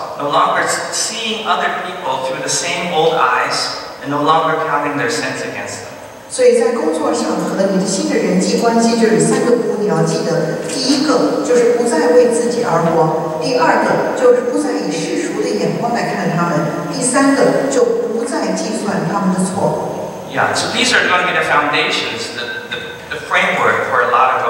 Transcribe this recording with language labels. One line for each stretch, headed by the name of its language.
English: No longer seeing other people through the same old eyes, and no longer counting their sins against them.
Chinese: 所以在工作场合，你的新的人际关系就是三个步，你要记得。第一个就是不再为自己而活；第二个就是不再以世俗的眼光来看他们；第三个就不再计算他们的错。
English: Yeah, so these are going to be the foundations, the framework for a lot.